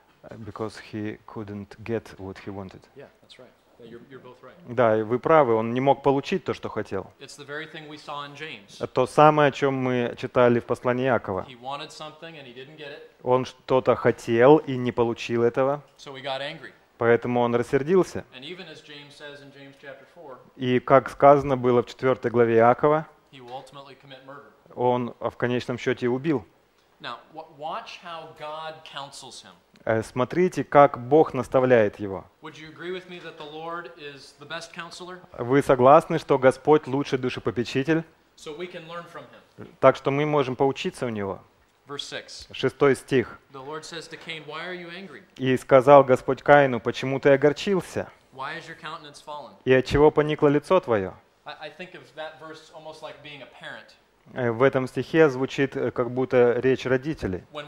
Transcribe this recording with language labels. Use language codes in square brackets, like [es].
[en] Because he couldn't get what he wanted. Yeah, that's right. Yeah, you're both right. [ru] Да, и вы правы, он не мог получить то, что хотел. [en] It's the very thing we saw in James. [ru] То самое, о чем мы читали в послании Иакова. [en] He wanted something and he didn't get it. [ru] Он что-то хотел и не получил этого. [en] So we got angry. [ru] Поэтому он рассердился. [en] And even as James says in James chapter 4, [ru] и как сказано было в 4 главе Иакова, [en] he will ultimately commit murder. [ru] он в конечном счете убил. [en] Now, watch how God counsels him. [ru] Смотрите, как Бог наставляет его. [en] Would you agree with me that the Lord is the best counselor? [ru] Вы согласны, что Господь лучший душепопечитель? [en] So we can learn from him. Так что мы можем поучиться у него. [ru] Шестой стих. [en] The Lord says to Cain, why are you angry? [ru] И сказал Господь Каину, почему ты огорчился? [en] Why is your countenance fallen? [ru] И отчего поникло лицо твое? [en] I think of that verse almost like being a parent. [ru] В этом стихе звучит, как будто речь родителей.